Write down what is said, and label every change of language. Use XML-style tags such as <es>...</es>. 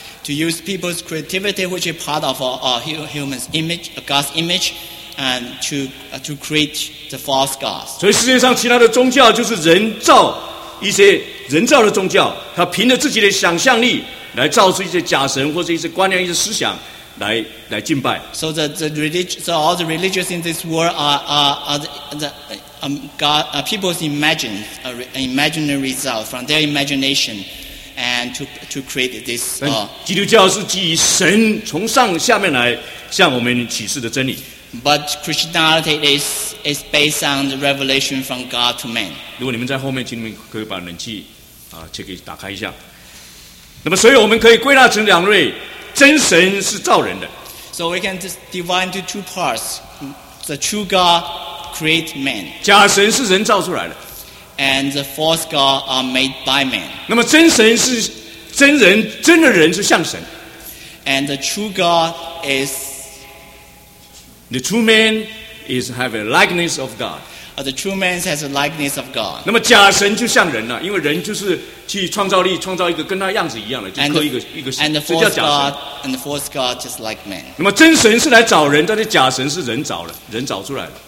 <en>To use people's creativity, which is part of our human's image, God's image, and to create the false gods.</en> <zh>所以世界上其他的宗教就是人造一些人造的宗教，他凭着自己的想象力。来造出一些假神或者一些观念、一些思想来敬拜。</zh> <en>So so all the religious in this world are the people's imaginary result from their imagination, man to create this.</en> <zh>基督教是基于神从上下面来向我们启示的真理。</zh> <en>But Christianity is based on the revelation from God to man.</en> <zh>如果你们在后面，请你们可以把冷气啊，这个打开一下。那么，所以我们可以归纳成两类：真神是造人的。</zh> <en>So we can just divide into two parts. The true God create man.</en> <zh>假神是人造出来的。</zh> <en>And the false God are made by man.</en> <zh>那么真神是真人，真的人是像神。</zh> <en>And the true God is the true man is have a likeness of God. The true man has a likeness of God.</en> <zh>那么假神就像人了，因为人就是去创造力，创造一个跟他样子一样的，就刻一个</zh> <en>the,</en> <zh>一个神。</zh> <en>And the false God and the false God just like man.</en> <zh>那么真神是来找人，但是假神是人找了，人找出来的。</zh>